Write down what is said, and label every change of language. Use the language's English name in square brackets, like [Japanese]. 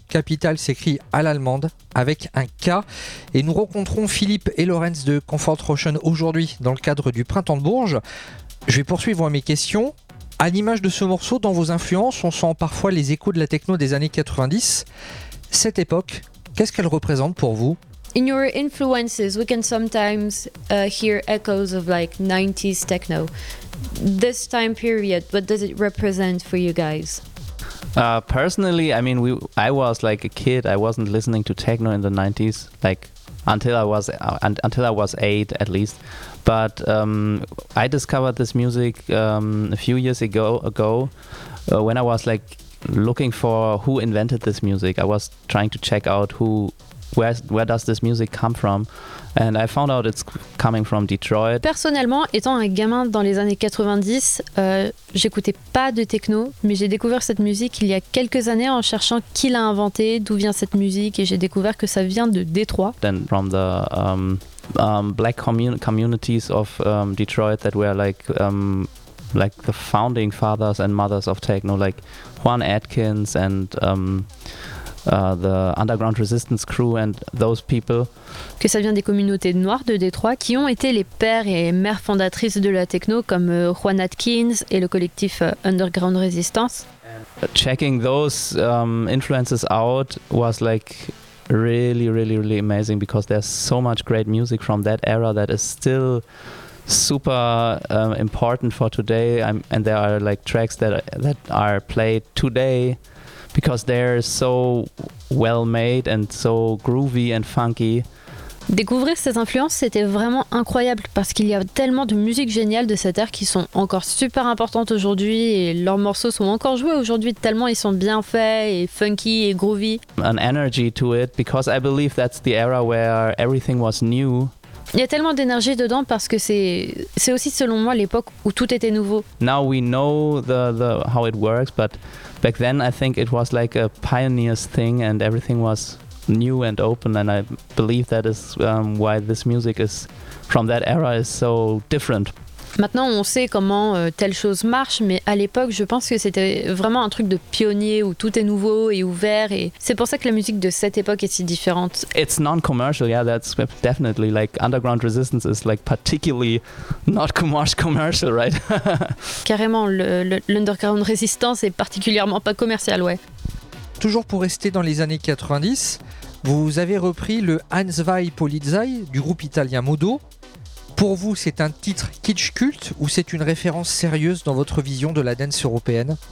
[French] Capital s'écrit à l'allemande avec un K. Et nous rencontrons Philippe et Lorenz de Comfort Ocean aujourd'hui dans le cadre du Printemps de Bourges. Je vais poursuivre mes questions. À l'image de ce morceau, dans vos influences, on sent parfois les échos de la techno des années 90. Cette époque, qu'est-ce qu'elle représente pour vous ? [English] In your influences, we can sometimes hear echoes of like 90s techno. This time period, what does it represent for you guys? Personally, I mean, I was like a kid. I wasn't listening to techno in the 90s, like until I was 8 at least. But I discovered this music a few years ago when I was like looking for who invented this music. I was trying to check out where does this music come from, and I found out it's coming from Detroit. [French] Personnellement, étant un gamin dans les années 90, j'écoutais pas de techno, mais j'ai découvert cette musique il y a quelques années en cherchant qui l'a inventée, d'où vient cette musique, et j'ai découvert que ça vient de Détroit. [English] Then from the black communities of Detroit that were like the founding fathers and mothers of techno, like Juan Atkins and the Underground Resistance Crew and those people. [French] Que ça vient des communautés noires de Détroit qui ont été les pères et mères fondatrices de la techno comme Juan Atkins et le collectif Underground Resistance. [English] Checking those influences out was like really, really, really amazing because there's so much great music from that era that is still super important for today. And there are like tracks that are played today because they're so well made and so groovy and funky. [French] Découvrir ces influences, c'était vraiment incroyable parce qu'il y a tellement de musique géniale de cette ère qui sont encore super importantes aujourd'hui et leurs morceaux sont encore joués aujourd'hui tellement ils sont bien faits et funky et groovy. [English] An energy to it because I believe that's the era where everything was new. [French] Il y a tellement d'énergie dedans parce que c'est aussi selon moi l'époque où tout était nouveau. [English] Now we know the how it works, but back then I think it was like a pioneer's thing and everything was new and open, and I believe that is why this music is from that era is so different. [French] Maintenant on sait comment telle chose marche, mais à l'époque je pense que c'était vraiment un truc de pionnier où tout est nouveau et ouvert, et c'est pour ça que la musique de cette époque est si différente. [English] It's non-commercial, yeah, that's definitely like Underground Resistance is like particularly not commercial, right? [French] Carrément, l'Underground Resistance est particulièrement pas commercial, ouais. Toujours pour rester dans les années 90, vous avez repris le Hans Vai Polizei du groupe italien Modo. Pour vous, c'est un titre kitsch culte ou c'est une référence sérieuse dans votre vision de la dance européenne?